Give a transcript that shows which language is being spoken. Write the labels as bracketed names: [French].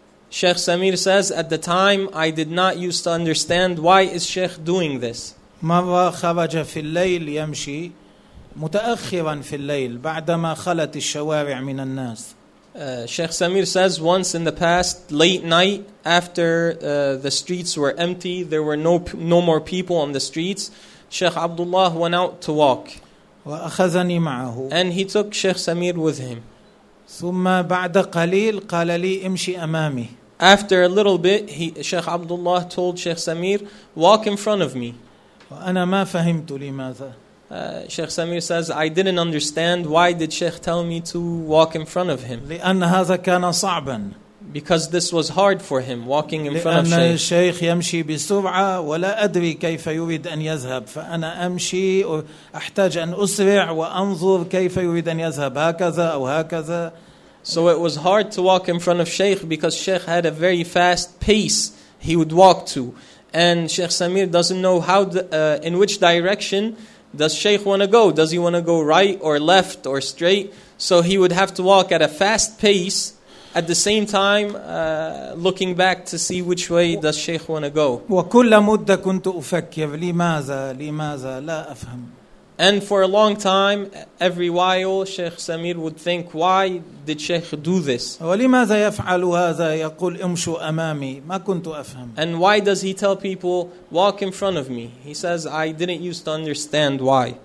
[English] Shaykh Samir says, at the time, I did not used to understand why is Shaykh doing this. [Arabic] مرة خرج في الليل يمشي متأخرا في الليل بعدما خلت الشوارع من الناس. [English] Sheikh Samir says, once in the past, late night, after the streets were empty, there were no more people on the streets, Sheikh Abdullah went out to walk. [Arabic] وأخذني معه. [English] And he took Sheikh Samir with him. [Arabic] ثم بعد قليل قال لي امشي أمامي. [English] After a little bit, Sheikh Abdullah told Sheikh Samir, walk in front of me. [Arabic] وأنا ما فهمت لماذا. [English] Sheikh Samir says, I didn't understand why did Sheikh tell me to walk in front of him. [Arabic] لأن هذا كان صعبا. [English] Because this was hard for him, walking in front of Sheikh. [Arabic] لأن الشيخ يمشي بسرعة ولا أدري كيف يريد أن يذهب. فأنا أمشي أحتاج أن أسرع وأنظر كيف يريد أن يذهب هكذا أو هكذا. [English] So it was hard to walk in front of Sheikh because Sheikh had a very fast pace he would walk to. And Sheikh Samir doesn't know how in which direction does Shaykh want to go? Does he want to go right or left or straight? So he would have to walk at a fast pace, at the same time looking back to see which way does Shaykh want to go. [Arabic] وكل مدة كنت أفكر لماذا لماذا لا أفهم. [English] And for a long time, every while, Sheikh Samir would think, why did Sheikh do this? [Arabic] وَلِمَاذَا يَفْعَلُ هَذَا يَقُلْ اِمْشُوا أَمَامِي مَا كُنْتُ أَفْهَمُ. [English] And why does he tell people, walk in front of me? He says, I didn't used to understand why.